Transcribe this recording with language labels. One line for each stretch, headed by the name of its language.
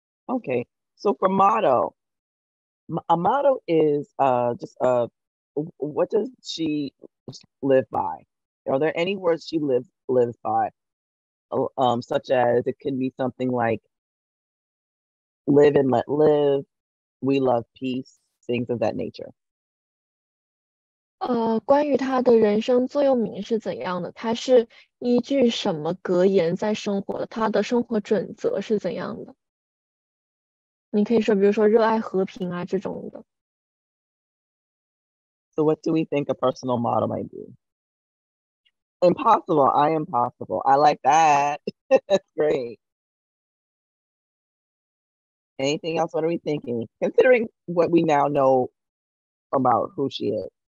English: Okay, so for motto, a motto is what does she live by? Are there any words she lives by? Such as it could be something like live and let live, we love peace, things of that nature.
Chinese: 关于他的人生座右铭是怎样的？他是依据什么格言在生活的？他的生活准则是怎样的？你可以说，比如说热爱和平啊这种的。
English: So what do we think a personal motto might be? Impossible. I am possible. I like that. That's great. Anything else? What are we thinking? Considering what we now know about who she is.